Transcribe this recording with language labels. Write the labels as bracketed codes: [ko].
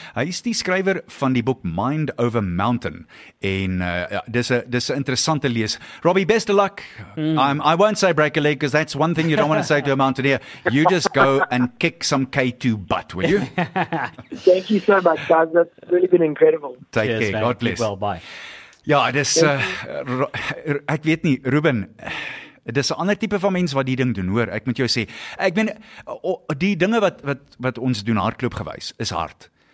[af] Hy is die skrywer van die boek Mind Over Mountain. En dis een interessante lees. [en] Robbie, best of luck. I won't say break a leg, because that's one thing you don't want to say to a mountaineer. You just go and kick some K2 butt, will you? Thank you so much, guys. That's really been incredible. Take care. God bless. Keep well, bye. [af] Ja, dis, ek weet nie, Ruben, dis 'n ander tipe van mens wat die ding doen, hoor. Ek moet jou sê, ek ben, die dinge wat ons doen, hardloop gewys, is hard.